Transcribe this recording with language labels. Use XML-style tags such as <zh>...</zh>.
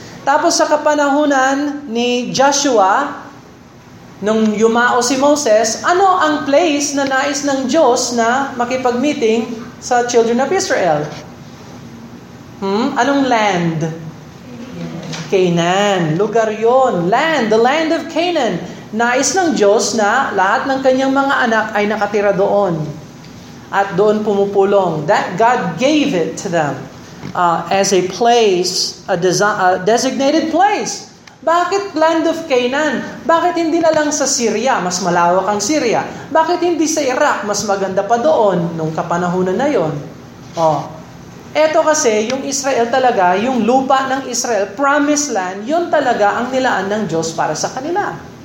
<tl>Tapos, sa kapanahonan ni Joshua, nung yumao si Moses, ano ang place na nais ng Diyos na makipag-meeting sa children of Israel? Anong land? Canaan. Lugar yon. Land.</tl> <en>The land of Canaan.</en> <tl>Nais ng Diyos na lahat ng kanyang mga anak ay nakatira doon. At doon pumupulong.</tl> <en>That God gave it to them as a place, a designated place.</en> <tl>Bakit land of Canaan? Bakit hindi na lang sa Syria? Mas malawak ang Syria. Bakit hindi sa Iraq? Mas maganda pa doon nung kapanahunan na yon. Oh. Eto kasi, yung Israel talaga, yung lupa ng Israel, promised land, yun talaga ang nilaan ng Diyos para sa kanila.</tl>